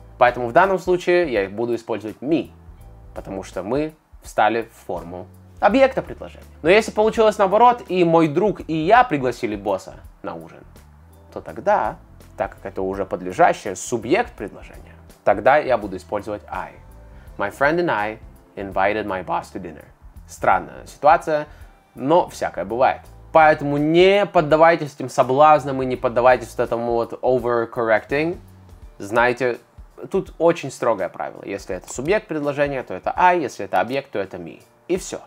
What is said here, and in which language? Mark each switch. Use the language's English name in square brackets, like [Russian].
[Russian] Поэтому в данном случае я буду использовать me, потому что мы встали в форму объекта предложения. Но если получилось наоборот, и мой друг и я пригласили босса на ужин, то тогда, так как это уже подлежащее, субъект предложения, тогда я буду использовать I. [English] My friend and I invited my boss to dinner. [Russian] Странная ситуация, но всякое бывает. Поэтому не поддавайтесь этим соблазнам и не поддавайтесь этому вот overcorrecting. Знайте, тут очень строгое правило. Если это субъект предложения, то это I, если это объект, то это me. И все.